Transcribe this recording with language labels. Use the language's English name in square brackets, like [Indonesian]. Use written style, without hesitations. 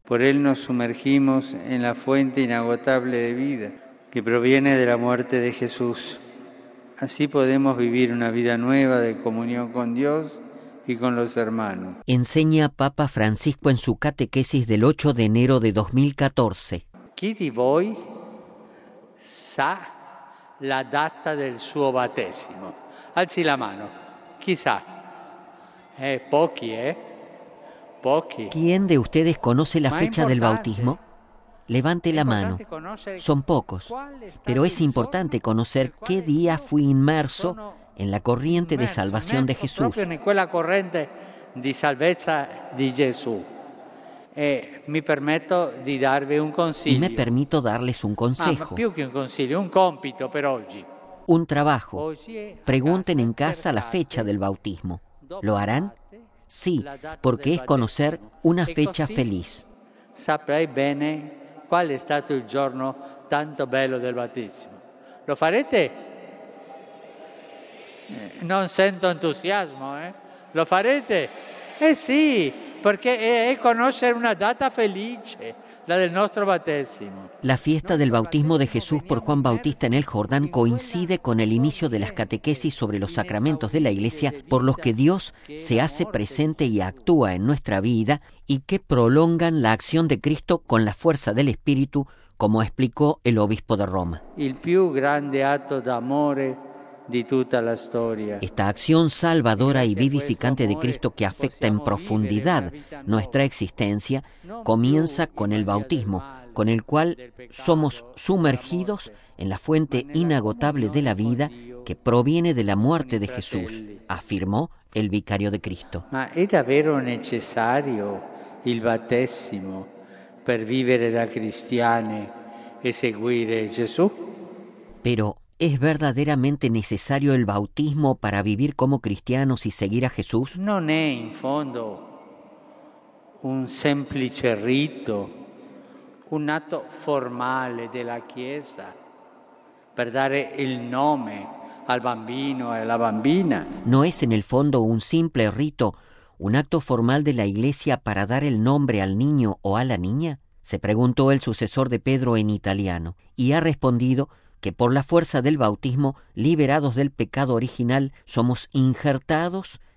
[Spanish] Por él nos sumergimos en la fuente inagotable de vida que proviene de la muerte de Jesús. Así podemos vivir una vida nueva de comunión con Dios y con los hermanos. Enseña Papa Francisco en su catequesis del 8 de enero de 2014. [Italian] ¿Chi di voi sa la data del suo battesimo? Alzi la mano. ¿Chi sa? Pochi, Pochi. [Spanish] ¿Quién de ustedes conoce la fecha del bautismo? Levante la mano. Son pocos. Pero es importante conocer qué día fui inmerso en la corriente de salvación de Jesús. [Italian] En quella corrente di salvezza di Gesù. Mi permetto di darvi un consiglio. [Spanish] Y me permito darles un consejo. [Italian] Più che un consiglio, un compito per oggi. [Spanish] Un trabajo. Pregunten en casa la fecha del bautismo. ¿Lo harán? Sí, porque es conocer una fecha feliz. [Italian] Saprei bene qual è stato il giorno tanto bello del battesimo. [Spanish] ¿Lo farete? [Italian] Non sento entusiasmo, ¿Lo farete? Sì, perché è conoscere una data felice, la del nostro battesimo. [Spanish] La fiesta del bautismo de Jesús por Juan Bautista en el Jordán coincide con el inicio de las catequesis sobre los sacramentos de la Iglesia, por los que Dios se hace presente y actúa en nuestra vida y que prolongan la acción de Cristo con la fuerza del Espíritu, como explicó el obispo de Roma. El más grande acto de amor de toda la historia. Esta acción salvadora y vivificante de Cristo que afecta en profundidad nuestra existencia comienza con el bautismo, con el cual somos sumergidos en la fuente inagotable de la vida que proviene de la muerte de Jesús, afirmó el vicario de Cristo. ¿Es davvero necesario el bautismo para vivir da cristiani y seguir a Jesús? Pero, ¿es verdaderamente necesario el bautismo para vivir como cristianos y seguir a Jesús? No es, en fondo, [Italian] un semplice rito, un atto formale della Chiesa per dare il nome al bambino e alla bambina. [Spanish] No es en el fondo un simple rito, un acto formal de la Iglesia para dar el nombre al niño o a la niña? Se preguntó el sucesor de Pedro en italiano y ha respondido que por la fuerza del bautismo, liberados del pecado original, somos injertados